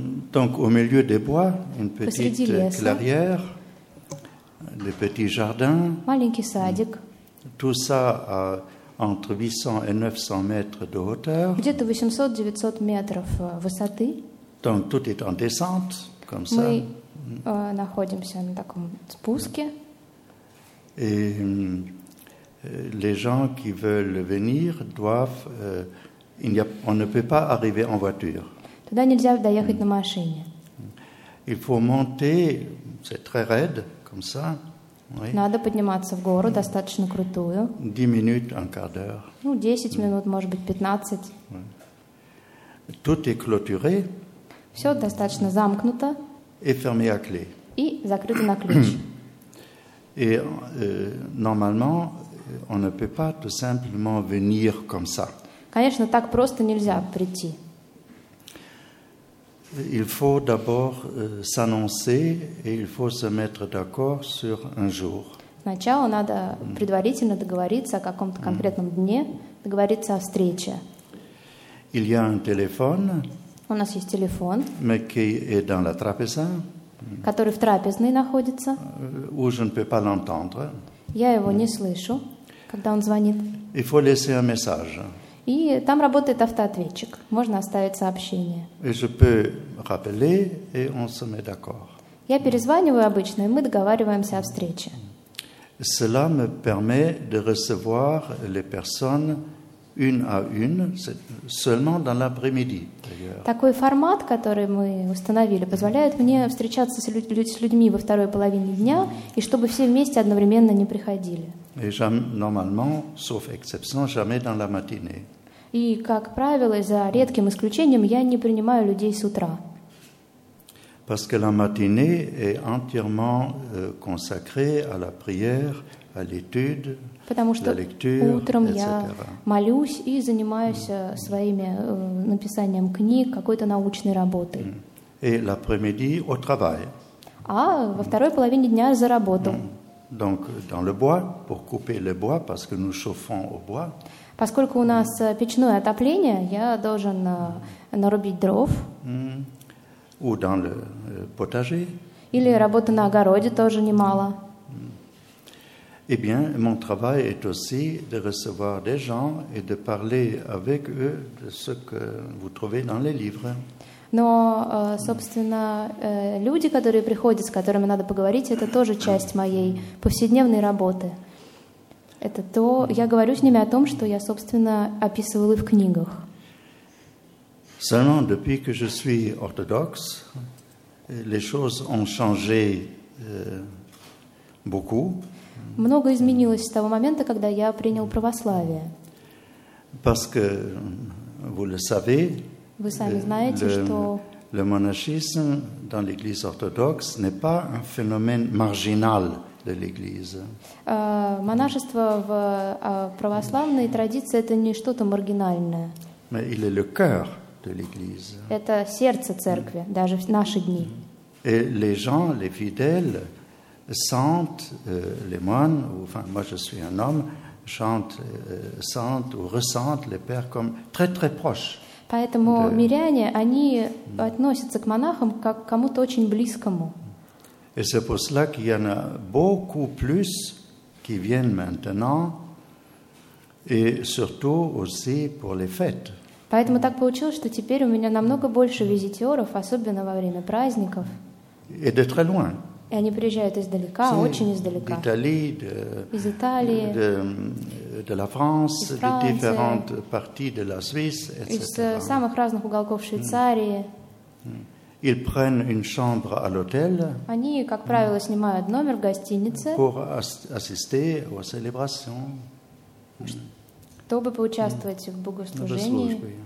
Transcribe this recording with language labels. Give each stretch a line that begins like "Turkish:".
French: Donc, au milieu des bois, une petite clairière, des petits jardins.
Russian: Маленький садик.
French: Tout ça a... entre 800 et 900 mètres de hauteur.
Russian: Где-то 800-900 метров высоты.
French: Donc tout est en descente, comme ça.
Russian: Мы находимся на таком спуске.
French: Et les gens qui veulent venir doivent, on ne peut pas arriver en voiture.
Russian: Туда нельзя доехать на машине.
French: Il faut monter, c'est très raide, comme ça.
Russian: Надо подниматься в гору, достаточно крутую. 10 минут,
French: un quart d'heure.
Russian: Ну, 10 минут, может быть, 15.
French: Tout est clôturé.
Russian: Все достаточно замкнуто.
French: Et fermé à clé.
Russian: И закрыто на ключ.
French: Et normalement, on ne peut pas tout simplement venir comme ça.
Russian: Конечно, так просто нельзя прийти.
French: Il faut d'abord s'annoncer et il faut se mettre d'accord sur un jour.
Russian: Сначала надо предварительно договориться о каком-то конкретном дне, договориться о встрече.
French: Il y a un téléphone.
Russian: У нас есть телефон.
French: Mais qui est dans la trapeza.
Russian: Который в трапезной находится.
French: Où je ne peux pas l'entendre.
Russian: Я его не слышу, когда он звонит.
French: Il faut laisser un message.
Russian: И там работает автоответчик. Можно оставить сообщение.
French: Je peux rappeler et on se met d'accord.
Russian: Я перезваниваю обычно, и мы договариваемся о встрече.
French: Cela me permet de recevoir les personnes une à une, seulement dans l'après-midi.
Russian: Такой формат, который мы установили, позволяет мне встречаться с людьми во второй половине дня, и чтобы все вместе одновременно не приходили.
French: Et jamais, normalement, sauf exception, jamais dans la matinée.
Russian: И, как правило, за редким исключением, я не принимаю людей с утра.
French: Parce que la matinée est entièrement consacrée à la prière, à l'étude, à la lecture, etc.
Russian: Утром я молюсь и занимаюсь своими написанием книг, какой-то научной работой.
French: Et l'après-midi au travail.
Russian: А во второй половине дня за работу.
French: Donc dans le bois pour couper le bois parce que nous chauffons au bois.
Russian: Поскольку у нас печное отопление, я должен нарубить дров.
French: Ou dans le potager.
Russian: Или работа на огороде тоже немало.
French: Eh bien, mon travail est aussi de recevoir des gens et de parler avec eux de ce que vous trouvez dans les livres.
Russian: Но, собственно, люди, которые приходят, с которыми надо поговорить, это тоже часть моей повседневной работы. Это то, я говорю с ними о том, что я, собственно, описывал и в книгах.
French: Seulement depuis que je suis orthodoxe, les choses ont changé beaucoup.
Russian: Многое изменилось с того момента, когда я принял православие.
French: Parce que vous le savez,
Russian: вы сами знаете, что
French: le monachisme dans l'Église orthodoxe n'est pas un phénomène marginal de l'Église.
Russian: Монашество в православной традиции это не что-то маргинальное.
French: Mais il est le cœur. De l'église.
Russian: Это сердце церкви, даже в наши дни.
French: Et les gens, les fidèles, sentent, les moines, ou, enfin, moi je suis un homme, sentent ou ressentent les pères comme très très proches.
Russian: Поэтому миряне, они относятся к монахам как к кому-то очень близкому.
French: Et c'est pour cela qu'il y en a beaucoup plus qui viennent maintenant, et surtout aussi pour les fêtes.
Russian: Поэтому так получилось, что теперь у меня намного больше визитеров, особенно во время праздников.
French: Et de très loin.
Russian: И они приезжают издалека,
French: c'est
Russian: очень издалека. Из Италии,
French: de la France,
Russian: из Франции,
French: de différentes parties de la Suisse, etc.
Russian: Из самых разных уголков Швейцарии.
French: Ils prennent une chambre à l'hôtel.
Russian: Они, как правило, снимают номер в гостинице.
French: Pour assister aux célébrations.
Russian: Чтобы поучаствовать в богослужении.